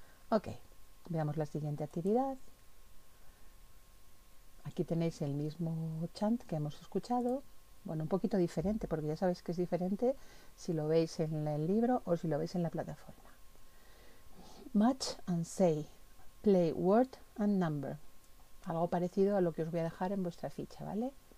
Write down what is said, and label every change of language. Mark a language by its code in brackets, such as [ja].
[es] Okay, veamos la siguiente actividad. Aquí tenéis el mismo chant que hemos escuchado. Bueno, un poquito diferente, porque ya sabéis que es diferente si lo veis en el libro o si lo veis en la plataforma. [en] match and say, play word and number. [es] Algo parecido a lo que os voy a dejar en vuestra ficha, ¿vale?